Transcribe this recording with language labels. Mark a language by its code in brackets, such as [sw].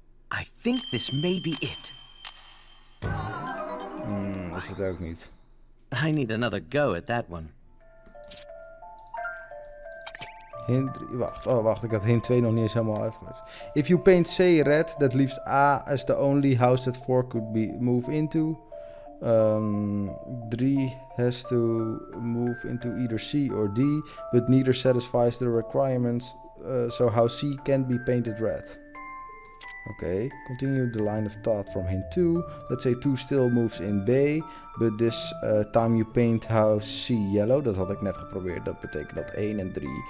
[en] I think this may be it. [nl] Is het ook niet. [en] I need another go at that one. [nl] Hint 3, wacht. Oh, wacht, ik had hint 2 nog niet eens helemaal uitgelegd. [en] If you paint C red, that leaves A as the only house that 4 could be move into. 3 has to move into either C or D, but neither satisfies the requirements, so house C can't be painted red. Okay, continue the line of thought from hint 2. Let's say 2 still moves in B, but this time you paint house C yellow. [nl] Dat had ik net geprobeerd, dat betekent dat 1 en 3...